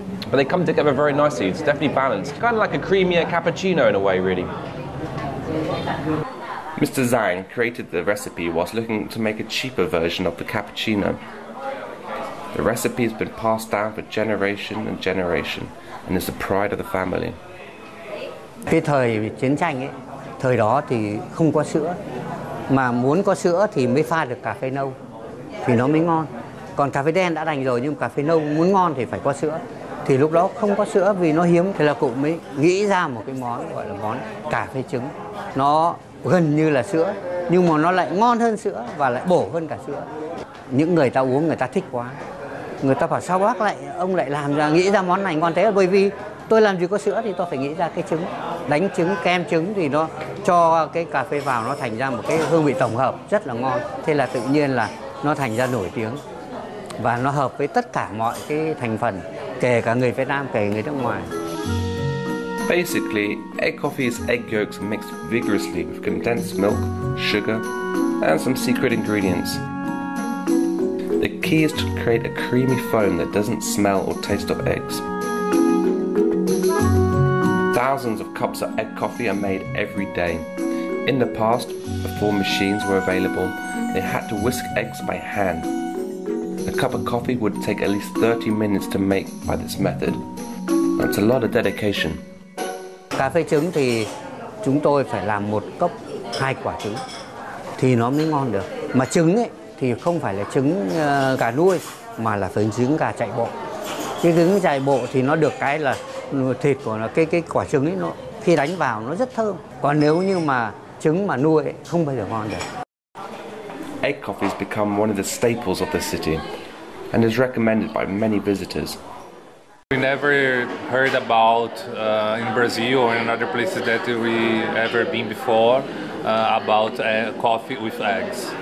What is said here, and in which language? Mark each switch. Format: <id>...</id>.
<en>But they come together very nicely. It's definitely balanced. Kind of like a creamier cappuccino in a way, really. Mr. Zhang created the recipe whilst looking to make a cheaper version of the cappuccino. The recipe has been passed down for generation and generation, and is the pride of the family.</en> <vi>Cái thời chiến tranh ấy, thời đó thì không có sữa, mà muốn có sữa thì mới pha được cà phê nâu, thì nó mới ngon. Còn cà phê đen đã đành rồi, nhưng cà phê nâu muốn ngon thì phải có sữa. Thì lúc đó không có sữa vì nó hiếm. Thế là cụ mới nghĩ ra một cái món gọi là món cà phê trứng. Nó gần như là sữa, nhưng mà nó lại ngon hơn sữa và lại bổ hơn cả sữa. Những người ta uống người ta thích quá. Người ta bảo sao bác lại, ông lại làm ra, nghĩ ra món này ngon thế. Bởi vì tôi làm gì có sữa thì tôi phải nghĩ ra cái trứng. Đánh trứng, kem trứng thì nó cho cái cà phê vào, nó thành ra một cái hương vị tổng hợp rất là ngon. Thế là tự nhiên là nó thành ra nổi tiếng. Và nó hợp với tất cả mọi cái thành phần.</vi> <en>Basically, egg coffee is egg yolks mixed vigorously with condensed milk, sugar, and some secret ingredients. The key is to create a creamy foam that doesn't smell or taste of eggs. Thousands of cups of egg coffee are made every day. In the past, before machines were available, they had to whisk eggs by hand. A cup of coffee would take at least 30 minutes to make by this method. That's a lot of dedication.</en> <vi>Cà phê trứng thì chúng tôi phải làm một cốc hai quả trứng thì nó mới ngon được. Mà trứng ấy thì không phải là trứng gà nuôi mà là trứng gà chạy bộ. Cái trứng chạy bộ thì nó được cái là thịt của nó, cái quả trứng ấy nó khi đánh vào nó rất thơm. Còn nếu như mà trứng mà nuôi ấy, không bao giờ ngon được.</vi> <en>Egg coffee has become one of the staples of the city and is recommended by many visitors. We never heard about in Brazil or in other places that we ever been before about coffee with eggs.</en>